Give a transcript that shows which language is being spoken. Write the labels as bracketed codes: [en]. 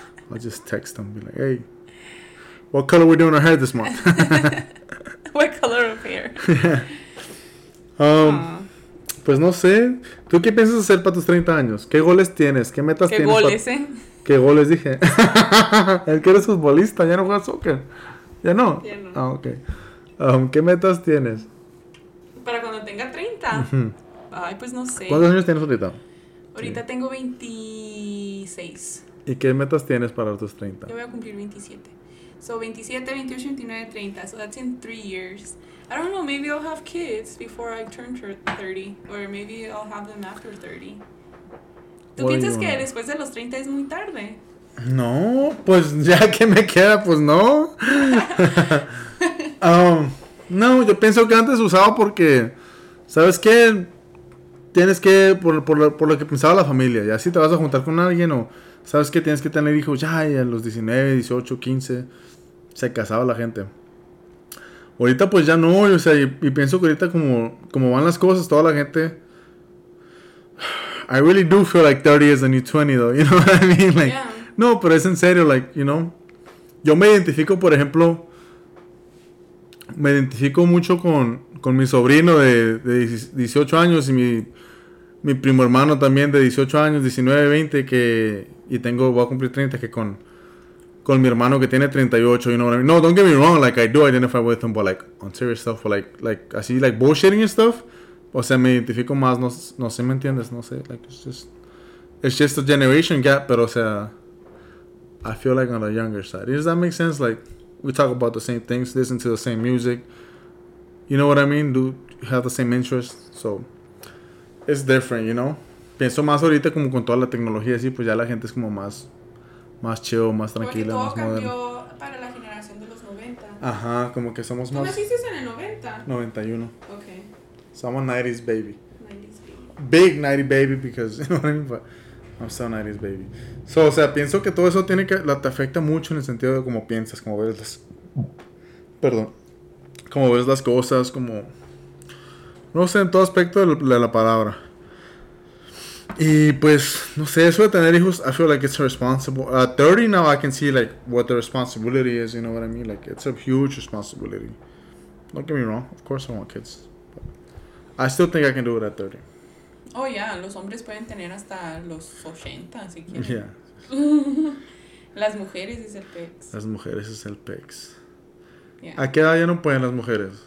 [en] I'll just text them, be like, hey, what color are we doing our hair this month? What color of hair? Yeah. [es] Pues no sé, ¿tú qué piensas hacer para tus 30 años? ¿Qué goles tienes? ¿Qué metas ¿Qué tienes? ¿Qué goles, eh? ¿Qué goles dije? Es que eres futbolista, ya no juegas soccer. ¿Ya no? Ya no. Ah, ok. ¿Qué metas tienes? Para cuando tenga 30. Uh-huh. Ay, pues no sé. ¿Cuántos años tienes ahorita? Ahorita sí. Tengo 26. ¿Y qué metas tienes para tus 30? Yo voy a cumplir 27. So, 27, 28, 29, 30. [en] So, that's in 3 years. I don't know, maybe I'll have kids before I turn 30. Or maybe I'll have them after 30. [es] ¿Tú piensas que después de los 30 es muy tarde? No, pues ya que me queda, pues no. No, yo pienso que antes usaba porque, ¿sabes qué? Tienes que, por lo que pensaba la familia, ya si te vas a juntar con alguien o... ¿Sabes qué? Tienes que tener hijos ya a los 19, 18, 15. Se casaba la gente. Ahorita pues ya no, o sea, y pienso que ahorita como van las cosas, toda la gente... [en] I really do feel like 30 is the new 20 though, you know what I mean? Like, yeah. [es] No, pero es en serio, [en] like, you know. [es] Yo me identifico mucho con mi sobrino de 18 años y mi primo hermano también de 18 años, 19, 20, que... Y tengo, voy a cumplir 30, que con mi hermano que tiene 38, [en] you know what I mean? No, don't get me wrong, like, I do identify with him, but, like, on serious stuff, but, like, así, like, bullshitting and stuff, [es] o sea, me identifico más, no sé, ¿me entiendes? No sé, [en] like, it's just a generation gap, [es] pero, o sea, [en] I feel like on the younger side. Does that make sense? Like, we talk about the same things, listen to the same music. You know what I mean? Do have the same interests. So, it's different, you know? [es] Pienso más ahorita como con toda la tecnología, así pues ya la gente es como más, más chill, más tranquila, más moderna. Porque todo cambió para la generación de los 90. Ajá, como que somos más... ¿Tú naciste en el 90? 91. [en] Okay. So, I'm a 90s baby. 90s baby. Big 90 baby, because, you know what I mean? I'm still a 90s baby. [es] So, o sea, pienso que todo eso tiene que... te afecta mucho en el sentido de cómo piensas, cómo ves las... Perdón. Cómo ves las cosas, como... No sé, en todo aspecto de la palabra. Y, pues, no sé, eso de tener hijos, [en] I feel like it's irresponsible. At 30 now, I can see, like, what the responsibility is, you know what I mean? Like, it's a huge responsibility. Don't get me wrong. Of course I want kids. But I still think I can do it at 30. Oh, yeah, [es] los hombres pueden tener hasta los 80, si quieren. [en] Yeah. [es] Las mujeres es el pex. Las mujeres es el pex. Yeah. ¿A qué edad ya no pueden las mujeres?